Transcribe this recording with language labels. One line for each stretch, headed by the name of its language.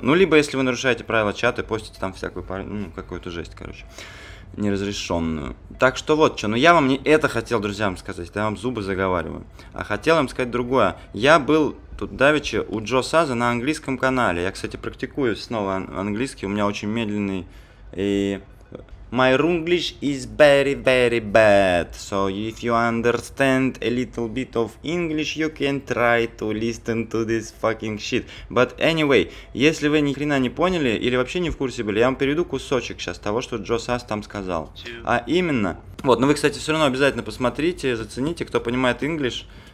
Russian: Ну, либо если вы нарушаете правила чата и постите там всякую, ну, какую-то жесть, короче, неразрешенную. Так что вот что. Ну, я вам не это хотел друзьям сказать, я вам зубы заговариваю. А хотел вам сказать другое. Я был... Тут давеча у Джо Саза на английском канале. Я, кстати, практикую снова английский. У меня очень медленный.
English: И my English is very, very bad. So if you understand a little bit of English, you can try to listen to this fucking shit. But anyway,
Russian: если вы ни хрена не поняли или вообще не в курсе были, я вам перейду кусочек сейчас того, что Джо Саз там сказал. А именно. Вот, но вы, кстати, все равно обязательно посмотрите, зацените, кто понимает English.